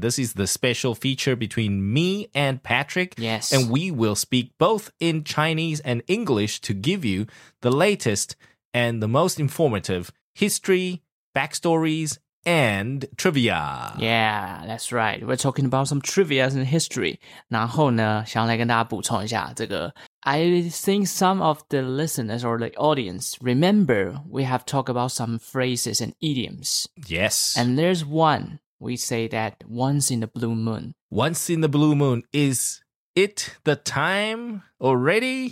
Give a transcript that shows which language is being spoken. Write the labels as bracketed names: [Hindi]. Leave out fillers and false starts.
[English] This is the special feature between me and Patrick. Yes. And we will speak both in Chinese and English to give you the latest and the most informative history, backstories, and trivia. Yeah, that's right. We're talking about some trivia in history. [Chinese] 然后呢，想来跟大家补充一下这个。 [English] I think some of the listeners or the audience remember we have talked about some phrases and idioms. Yes. And there's one we say that once in the blue moon. Once in the blue moon. Is it the time already?